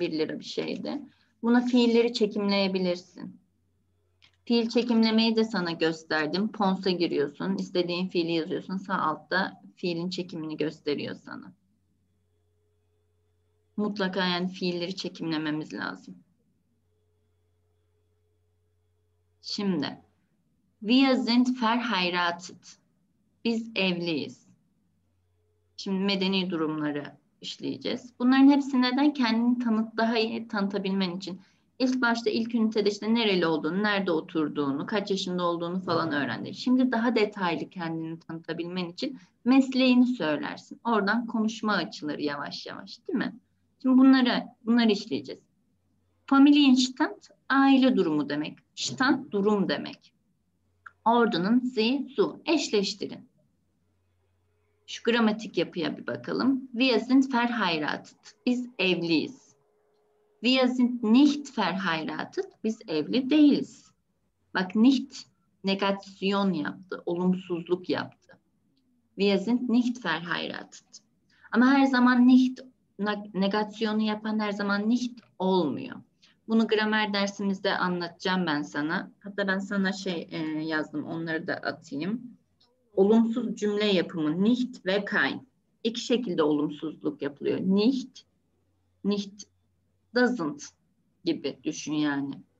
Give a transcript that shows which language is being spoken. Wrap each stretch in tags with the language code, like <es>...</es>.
<tr>1 lira bir şeydi. Buna fiilleri çekimleyebilirsin. Fiil çekimlemeyi de sana gösterdim. Pons'a giriyorsun. İstediğin fiili yazıyorsun. Sağ altta fiilin çekimini gösteriyor sana. Mutlaka yani fiilleri çekimlememiz lazım.</tr> <de>Şimdi, wir sind verheiratet.</de> <tr>Biz evliyiz. Şimdi medeni durumları işleyeceğiz. Bunların hepsi neden? Kendini daha iyi tanıtabilmen için. İlk başta ilk ünitede işte nereli olduğunu, nerede oturduğunu, kaç yaşında olduğunu falan öğrendin. Şimdi daha detaylı kendini tanıtabilmen için mesleğini söylersin. Oradan konuşma açılır yavaş yavaş, değil mi? Şimdi bunları işleyeceğiz. Familienstand aile durumu demek. Stand durum demek. Ordunun sie, su. Eşleştirin. Şu gramatik yapıya bir bakalım.</tr> <de>Wir sind verheiratet.</de> <tr>Biz evliyiz.</tr> <de>Wir sind nicht verheiratet.</de> <tr>Biz evli değiliz. Bak nicht negasyon yaptı. Olumsuzluk yaptı.</tr> <de>Wir sind nicht verheiratet.</de> <tr>Ama her zaman nicht negasyonu yapan her zaman nicht olmuyor. Bunu gramer dersimizde anlatacağım ben sana. Hatta ben sana yazdım. Onları da atayım. Olumsuz cümle yapımı nicht ve kein. İki şekilde olumsuzluk yapılıyor. Nicht doesn't gibi düşün yani.</tr>